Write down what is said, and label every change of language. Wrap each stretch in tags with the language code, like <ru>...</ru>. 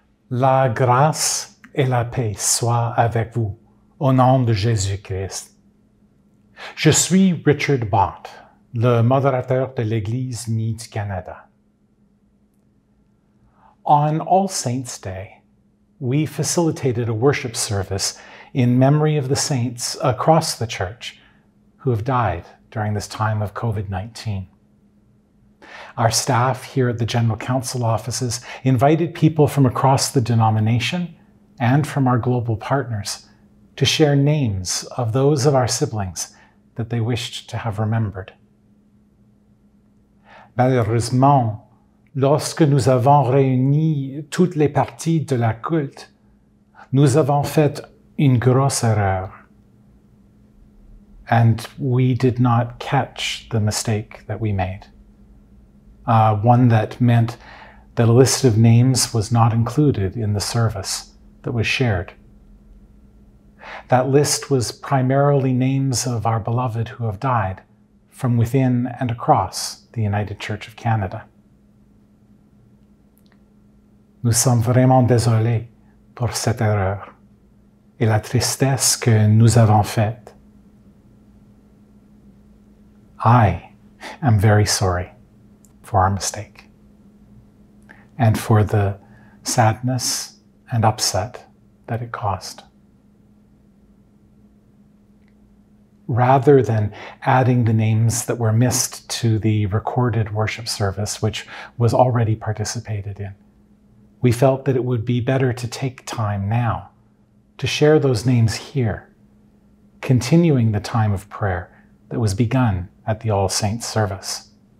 <fr>La grâce et la paix soient avec vous, au nom de Jésus-Christ. Je suis Richard Bott, le modérateur de l'Église Unie du Canada.</fr> <en>On All Saints Day, we facilitated a worship service in memory of the saints across the church who have died during this time of COVID-19. Our staff here at the General Council offices invited people from across the denomination and from our global partners to share names of those of our siblings that they wished to have remembered.</en> <fr>Malheureusement, lorsque nous avons réuni toutes les parties de la culte, nous avons fait une grosse erreur.</fr> <en>And we did not catch the mistake that we made. One that meant that a list of names was not included in the service that was shared. That list was primarily names of our beloved who have died from within and across the United Church of Canada.</en> <fr>Nous sommes vraiment désolés pour cette erreur et la tristesse que nous avons faite.</fr> <en>I am very sorry for our mistake, and for the sadness and upset that it caused. Rather than adding the names that were missed to the recorded worship service, which was already participated in, we felt that it would be better to take time now to share those names here, continuing the time of prayer that was begun at the All Saints service.</en>